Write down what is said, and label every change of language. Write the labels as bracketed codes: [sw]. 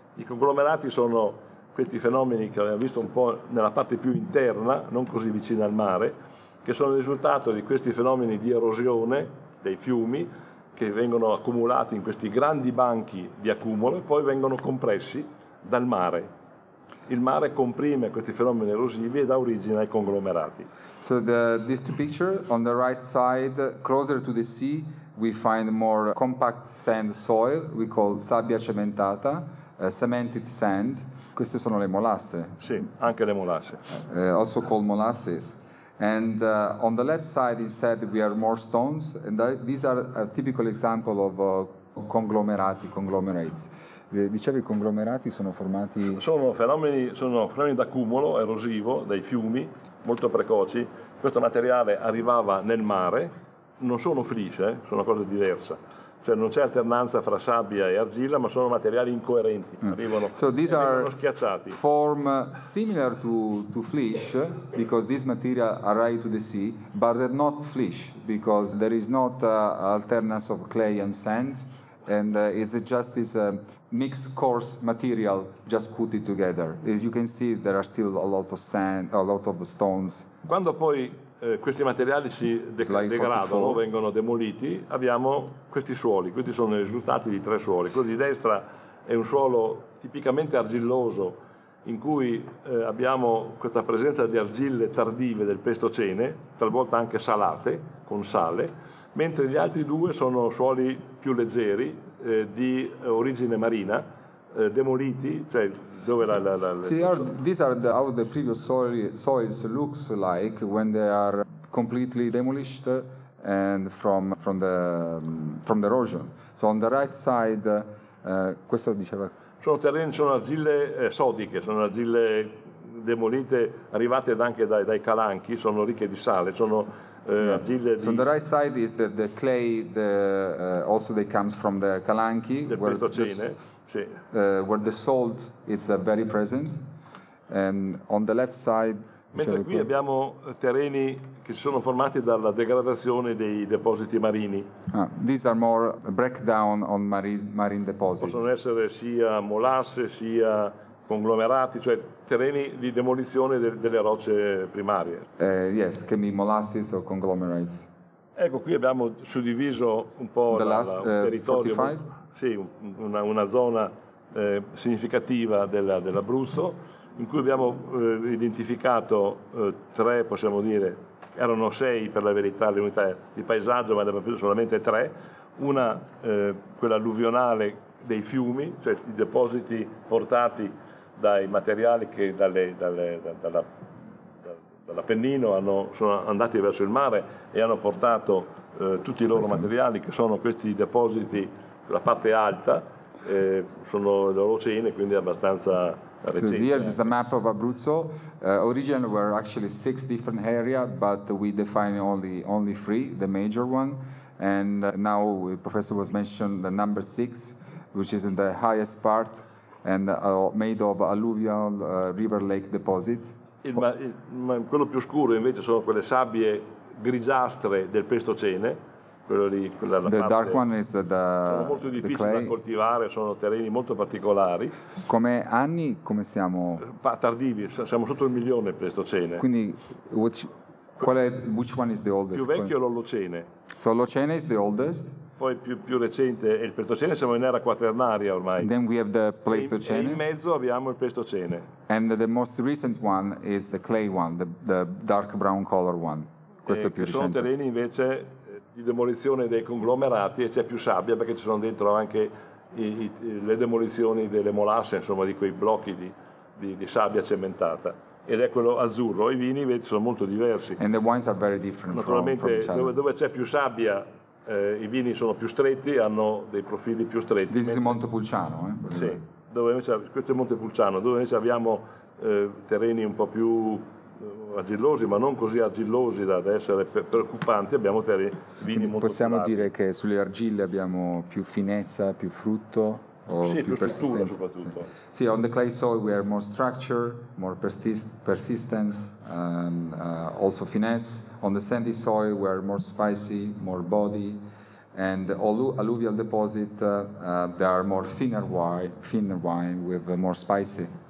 [it] I conglomerati sono questi fenomeni che abbiamo visto un po' nella parte più interna, non così vicina al mare, che sono il risultato di questi fenomeni di erosione dei fiumi che vengono accumulati in questi grandi banchi di accumulo e poi vengono compressi dal mare. Il mare comprime questi fenomeni erosivi e dà origine ai conglomerati. [en] So this picture on the right side, closer to the sea, we find more compact sand soil, we call [it] sabbia cementata, [en] cemented sand. [it] Queste sono le molasse. Sì, anche le molasse. [en] Also called molasses. And on the left side instead we are more stones, and these are a typical example of conglomerates. [it] Dicevi I conglomerati sono formati... Sono fenomeni d'accumulo erosivo dai fiumi, molto precoci. Questo materiale arrivava nel mare, non sono frisce, sono una cosa diversa. Cioè non c'è alternanza fra sabbia e argilla, ma sono materiali incoerenti. Arrivano, [en] so these are [it] schiacciati. [en] Form similar to flesh, because these materials arrive to the sea, but they're not flesh, because there is not alternance of clay and sand, and it's just this mixed coarse material just put it together. As you can see, there are still a lot of sand, a lot of stones. [it] Quando poi questi materiali si degradano, vengono demoliti, abbiamo questi suoli. Questi sono i risultati di tre suoli. Quello di destra è un suolo tipicamente argilloso, in cui abbiamo questa presenza di argille tardive del Pleistocene, talvolta anche salate, con sale, mentre gli altri due sono suoli più leggeri, di origine marina, demoliti, cioè dove [en] how the previous soils looks like when they are completely demolished and from the erosion. So on the right side, [it] questo diceva. Sono terreni, sono argille sodiche, sono argille demolite, arrivate anche dai calanchi, sono ricche di sale, sono argille di... [en] So on the right side is the clay, also they comes from the calanchi. [it] Del Pleistocene. [en] Where the salt is very present, and on the left side. [it] Mentre qui abbiamo terreni che si sono formati dalla degradazione dei depositi marini. [en] Ah, these are more breakdown on marine deposits. [it] Possono essere sia molasse sia conglomerati, cioè terreni di demolizione delle rocce primarie. [en] Yes, can be molasses or conglomerates. [it] Ecco, qui abbiamo suddiviso un po' il territorio. 45? Sì, una zona significativa dell'Abruzzo, in cui abbiamo identificato tre, possiamo dire, erano sei per la verità le unità di paesaggio, ma ne abbiamo preso solamente tre. Una, quella alluvionale dei fiumi, cioè i depositi portati dai materiali che dall'Appennino sono andati verso il mare e hanno portato tutti i loro materiali, che sono questi depositi. La parte alta sono le orocene, quindi abbastanza recente. [en] So here is the map of Abruzzo. Origin were actually six different area, but we define only three, the major one. And now the professor was mentioned the number six, which is in the highest part and made of alluvial river lake deposit. [it] Quello più scuro invece sono quelle sabbie grigiastre del Pleistocene. Quello lì, quella [en] the [it] parte, [en] dark one is the [it] sono molto difficili da coltivare, sono terreni molto particolari. Come anni, come siamo? Tardivi, siamo sotto il milione per questo cene. [en] Quindi, which one is the oldest? [it] Più vecchio è l'Olocene. [en] So l'Olocene is the oldest? [it] Poi più recente è il Pleistocene, siamo in era quaternaria ormai. [en] And then we have the Pleistocene. [it] E in mezzo abbiamo il Pleistocene. [en] And the most recent one is the clay one, the dark brown color one. [it] Questo è più recente. Sono terreni invece di demolizione dei conglomerati e c'è più sabbia perché ci sono dentro anche le demolizioni delle molasse, insomma di quei blocchi di sabbia cementata. Ed è quello azzurro. I vini invece sono molto diversi. [en] And the wines are very different. [it] Naturalmente [en] from [it] dove c'è più sabbia i vini sono più stretti, hanno dei profili più stretti. [en] This is Montepulciano. [it] Sì, dove invece, questo è Montepulciano, dove invece abbiamo terreni un po' più argillosi, ma non così argillosi da essere preoccupanti, abbiamo terreni vini molto più. Possiamo dire che sulle argille abbiamo più finezza, più frutto o sì, più persistenza. Struttura soprattutto. [en] Sì, on the clay soil we have more structure, more persistence, and also finesse. On the sandy soil we are more spicy, more body, and alluvial deposit there are more thinner wine with more spicy.